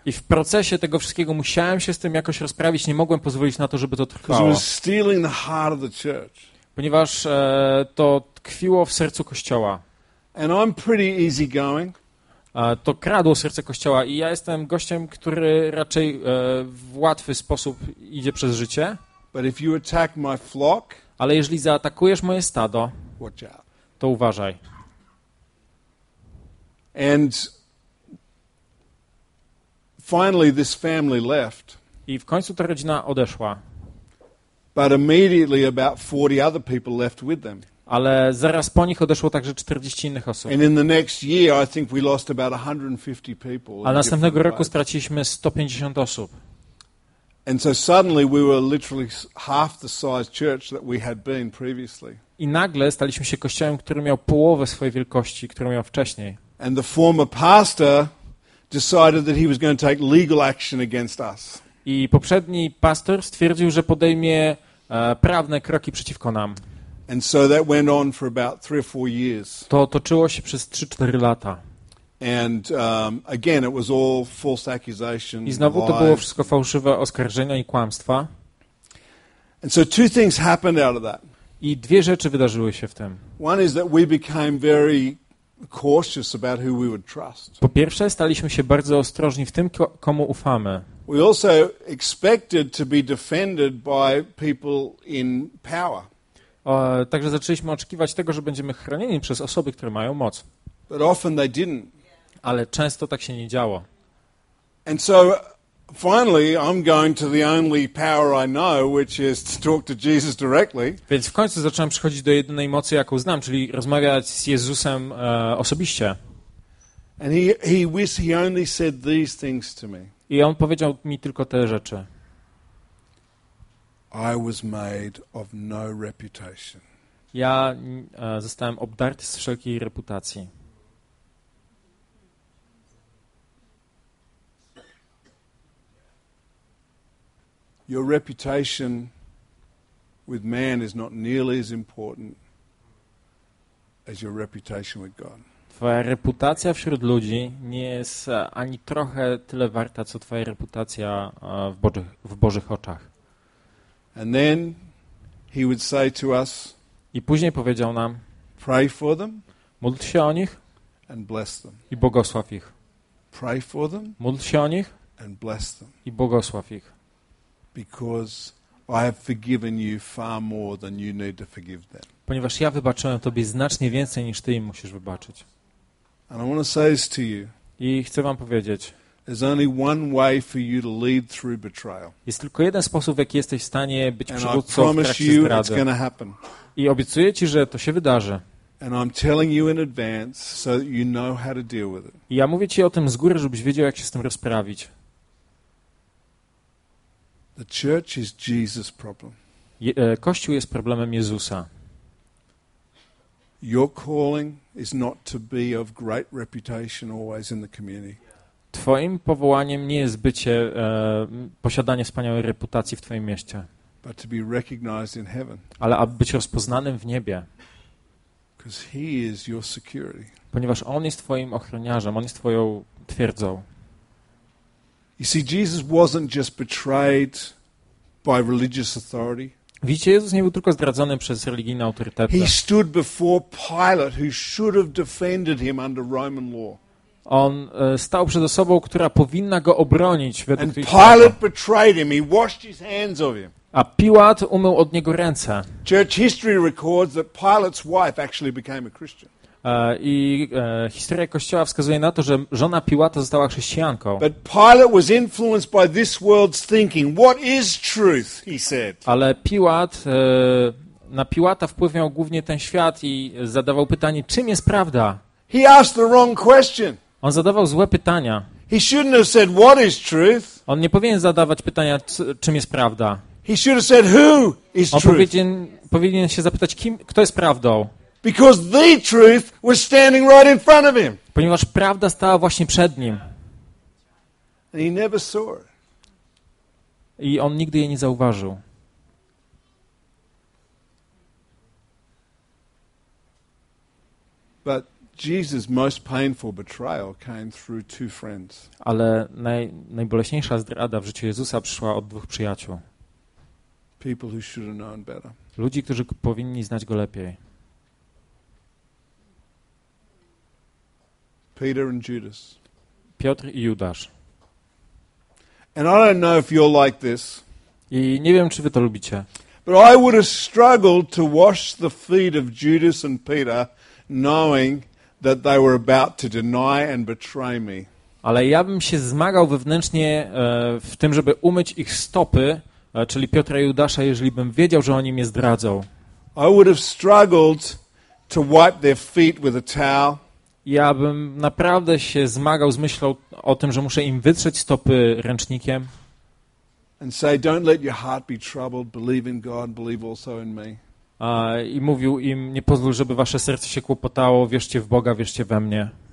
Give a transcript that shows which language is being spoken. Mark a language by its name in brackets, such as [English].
[Polish] I w procesie tego wszystkiego musiałem się z tym jakoś rozprawić. Nie mogłem pozwolić na to, żeby to trwało. [English] Because it was stealing the heart of the church. [Polish] Ponieważ to tkwiło w sercu kościoła. [English] And I'm pretty easy going. [Polish] To kradło serce kościoła i ja jestem gościem, który raczej w łatwy sposób idzie przez życie. [English] But if you attack my flock, [Polish] ale jeżeli zaatakujesz moje stado, [English] watch out. [Polish] To uważaj. [English] And finally this family left. [Polish] I w końcu ta rodzina odeszła. [English] But immediately about 40 other people left with them. [Polish] Ale zaraz po nich odeszło także 40 innych osób. [English] And in the next year I think we lost about 150 people. [Polish] A następnego roku straciliśmy 150 osób. [English] And so suddenly we were literally half the size church that we had been previously. [Polish] I nagle staliśmy się kościołem, który miał połowę swojej wielkości, którą miał wcześniej. [English] And the former pastor decided that he was going to take legal action against us. [Polish] I poprzedni pastor stwierdził, że podejmie prawne kroki przeciwko nam. [English] And so that went on for about 3 or 4 years. [Polish] To toczyło się przez 3-4 lata. [English] And again it was all false accusations. [Polish] I znowu to było wszystko fałszywe oskarżenia i kłamstwa. [English] And so two things happened out of that. [Polish] I dwie rzeczy wydarzyły się w tym. [English] One is that we became very cautious about who we would trust. [Polish] Po pierwsze, staliśmy się bardzo ostrożni w tym, komu ufamy. [English] We also expected to be defended by people in power. [Polish] Także zaczęliśmy oczekiwać tego, że będziemy chronieni przez osoby, które mają moc. [English] But often they didn't. [Polish] Ale często tak się nie działo. [English] And so finally I'm going to the only power I know, which is to talk to Jesus directly. [Polish] Więc w końcu zacząłem przychodzić do jedynej mocy, jaką znam, czyli rozmawiać z Jezusem osobiście. [English] And he only said these things to me. [Polish] I on powiedział mi tylko te rzeczy. [English] I was made of no reputation. [Polish] Ja zostałem obdarty z wszelkiej reputacji. [English] Your reputation with man is not nearly as important as your reputation with God. [Polish] Twoja reputacja wśród ludzi nie jest ani trochę tyle warta, co twoja reputacja w Bożych oczach. [English] And then he would say to us, [Polish] i później powiedział nam, [English] pray for them, [Polish] módl się o nich, [English] and bless them, [Polish] i błogosław ich. [English] Pray for them, [Polish] módl się o nich, [English] and bless them, [Polish] i błogosław ich. [English] Because I have forgiven you far more than you need to forgive them. [Polish] Ponieważ ja wybaczyłem tobie znacznie więcej niż ty im musisz wybaczyć. [English] And I want to say this to you. [Polish] I chcę wam powiedzieć. [English] There's only one way for you to lead through betrayal. [Polish] Jest tylko jeden sposób, w jaki jesteś w stanie być przywódcą. [English] And I promise you it's going to happen. [Polish] I obiecuję ci, że to się wydarzy. [English] And I'm telling you in advance so that you know how to deal with it. [Polish] I ja mówię ci o tym z góry, żebyś wiedział, jak się z tym rozprawić. [English] The church is Jesus' problem. [Polish] Kościół jest problemem Jezusa. [English] Your calling is not to be of great reputation always in the community. [Polish] Twoim powołaniem nie jest bycie posiadanie wspaniałej reputacji w twoim mieście. [English] But to be recognized in heaven. [Polish] Ale aby być rozpoznanym w niebie. [English] Because he is your security. [Polish] Ponieważ on jest twoim ochroniarzem, on jest twoją twierdzą. [English] You see, Jesus wasn't just betrayed by religious authority. [Polish] Widzicie, Jezus nie był tylko zdradzony przez religijne autorytety. [English] He stood before Pilate, who should have defended him under Roman law. [Polish] On stał przed osobą, która powinna go obronić według tej [English] Pilate betrayed him. He washed his hands of him. [Polish] A Piłat umył od niego ręce. [English] Church history records that Pilate's wife actually became a Christian. [Polish] I historia Kościoła wskazuje na to, że żona Piłata została chrześcijanką. [English] But Pilate was influenced by this world's thinking. What is truth? He said. [Polish] Ale Piłat na Piłata wpływ miał głównie ten świat i zadawał pytanie, czym jest prawda? [English] He asked the wrong question. [Polish] On zadawał złe pytania. [English] He shouldn't have said, what is truth? [Polish] On nie powinien zadawać pytania, czym jest prawda. [English] He should have said, who is truth? [Polish] On powinien się zapytać, kto jest prawdą. [English] Because the truth was standing right in front of him. [Polish] Ponieważ prawda stała właśnie przed nim. [English] And he never saw it. [Polish] I on nigdy jej nie zauważył. [English] But Jesus' most painful betrayal came through two friends. [Polish] Ale najboleśniejsza zdrada w życiu Jezusa przyszła od dwóch przyjaciół. [English] People who should have known better. [Polish] Ludzi, którzy powinni znać go lepiej. [English] Peter and Judas. [Polish] Piotr i Judasz. [English] And I don't know if you're like this. [Polish] I nie wiem, czy wy to lubicie. [English] But I would have struggled to wash the feet of Judas and Peter, knowing that they were about to deny and betray me. [Polish] Ale ja bym się zmagał wewnętrznie w tym, żeby umyć ich stopy, czyli Piotra i Judasza, jeżeli bym wiedział, że oni mnie zdradzą. [English] I would have struggled to wipe their feet with a towel. [Polish] Ja bym naprawdę się zmagał z myślą o tym, że muszę im wytrzeć stopy ręcznikiem. [English] And say, don't let your heart be troubled, believe in God, believe also in me. [Polish] I mówił im, nie pozwól, żeby wasze serce się kłopotało, wierzcie w Boga, wierzcie we mnie.